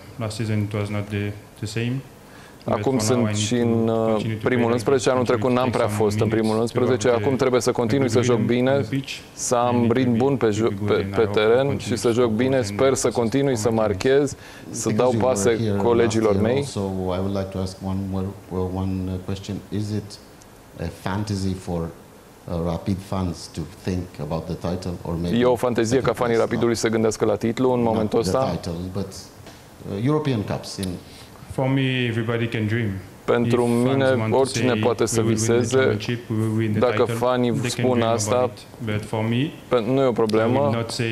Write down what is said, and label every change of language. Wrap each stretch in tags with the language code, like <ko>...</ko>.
<en>Last season it was not the same.</en> <ro>Acum sunt și în primul 11, anul trecut n-am prea fost în primul 11, acum trebuie să continui să joc bine, să am ritm bun pe teren și să joc bine, sper să continui să marchez, să dau pase colegilor mei.</ro> <en>So I would like to ask one question. Is it a fantasy for Rapid fans to think about the title or maybe?</en> <ro>E o fantezie ca fanii Rapidului să gândească la titlu în momentul ăsta?</ro> <en>European Cups in. For me, everybody can dream.</en> <ro>Pentru mine, oricine poate să viseze, dacă fanii spun asta, nu e o problemă.</ro>